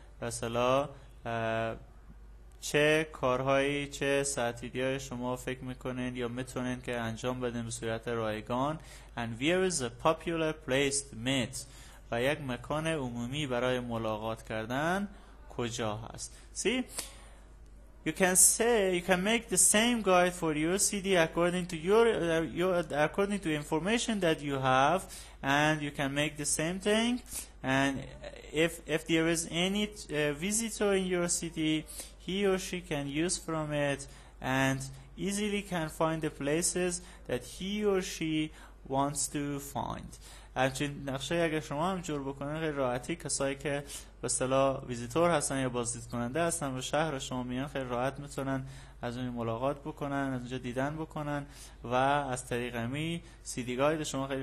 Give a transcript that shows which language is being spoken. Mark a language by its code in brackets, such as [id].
[fa] مثلا چه کارهایی چه ساعتی های شما فکر میکنین یا میتونین که انجام بدین به صورت رایگان؟ [en] And where is a popular place to meet? [fa] و یک مکان عمومی برای ملاقات کردن کجا هست؟ [en] See? You can make the same guide for your city according to information that you have, and you can make the same thing. And if there is any visitor in your city, he or she can use from it and easily can find the places that he or she wants to find. [fa] همچنین نقشه اگر شما هم جور بکنید خیلی راحتی کسایی که به اصطلاح ویزیتور هستن یا بازدید کننده هستن و شهر شما میان خیلی راحت میتونن از اون ملاقات بکنن، از اونجا دیدن بکنن و از طریق همی سیدی گاید شما خیلی